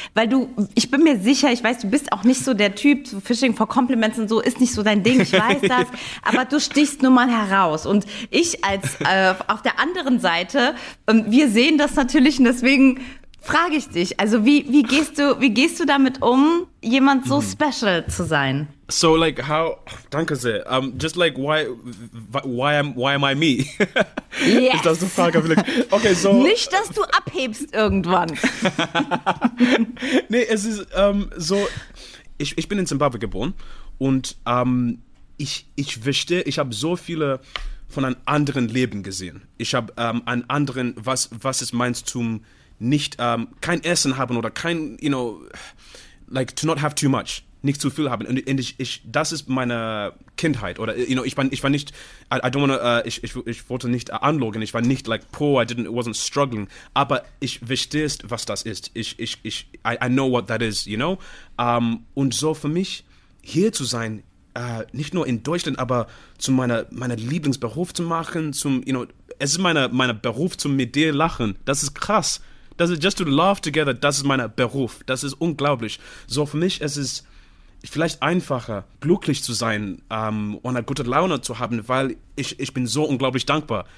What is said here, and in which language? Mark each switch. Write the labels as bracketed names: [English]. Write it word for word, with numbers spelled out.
[German] Weil du, ich bin mir sicher, ich weiß, du bist auch nicht so der Typ, so Fishing for Compliments und so ist nicht so dein Ding, ich weiß das, aber du stichst nun mal heraus. Und ich als, äh, auf der anderen Seite, ähm, wir sehen das natürlich und deswegen frage ich dich, also wie, wie gehst du, wie gehst du damit um, jemand so special zu sein? [English] So like how, [German] danke sehr, [English] um, just like why, why am, why am I me? Yes. [German] Ist das die Frage? Okay, so. Nicht, dass du abhebst irgendwann. Nee, es ist ähm, so, ich, ich bin in Zimbabwe geboren und ähm, ich, ich verstehe, ich habe so viele von einem anderen Leben gesehen. Ich habe ähm, einen anderen, was, was es meint zum nicht ähm, kein Essen haben oder kein, [English] you know, like to not have too much, [German] nicht zu viel haben. Und, und ich, ich, das ist meine Kindheit oder, [English] you know, [German] ich war, ich war nicht, [English] I, I don't wanna, uh, [German] ich, ich, ich wollte nicht uh, anlogen, ich war nicht [English] like poor, I didn't, wasn't struggling, [German] aber ich verstehe, was das ist. Ich, ich, ich, [English] I, I know what that is, you know. [German] Um, und so für mich, hier zu sein, uh, nicht nur in Deutschland, aber zu meiner, meiner Lieblingsberuf zu machen, zum, [English] you know, [German] es ist meine, meine Beruf, zum mit dir lachen, das ist krass. Das ist [English] just to laugh together, [German] das ist mein Beruf. Das ist unglaublich. So für mich es ist vielleicht einfacher, glücklich zu sein ähm, und eine gute Laune zu haben, weil ich, ich bin so unglaublich dankbar.